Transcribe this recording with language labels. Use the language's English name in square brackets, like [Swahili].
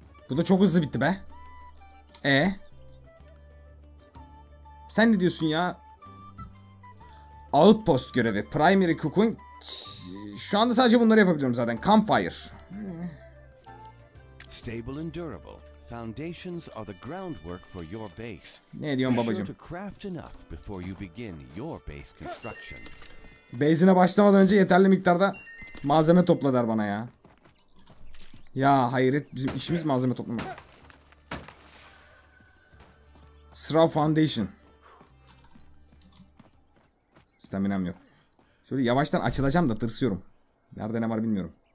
[Turkish] Bu da çok hızlı bitti be. Sen ne diyorsun ya? Outpost görevi, Primary Cocoon. Şu anda sadece bunları yapabiliyorum zaten. [English] Campfire. Stable and durable. Foundations are the groundwork for your base. [Turkish] Ne diyorsun babacığım? [English] To craft enough before you begin your base construction. [Turkish] Base'ine başlamadan önce yeterli miktarda malzeme topla der bana ya. Ya hayret, bizim işimiz malzeme toplamak. Sıra foundation. Staminam yok. Şöyle yavaştan açılacağım da tırsıyorum. Nerede ne var bilmiyorum.